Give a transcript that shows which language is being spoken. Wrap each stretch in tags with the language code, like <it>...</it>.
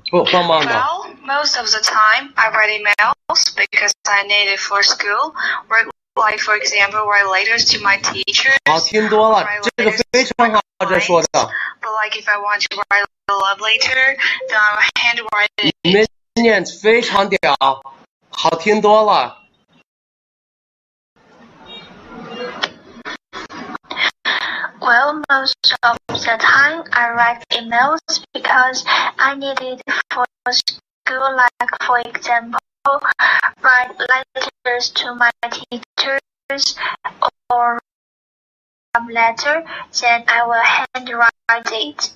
<en>Well, most of the time I write emails because I need it for school. Work, like for example, write letters to my teachers.</en> <zh>好，听多了，这个非常好，这说的。</zh> <en>But like if I want to write a love letter, then I handwrite it.</en> <zh>你们念非常屌，好听多了。</zh> <en>Well, most of the time I write emails because I need it for school. Like, for example, write letters to my teachers or a letter, then I will handwrite it.</en>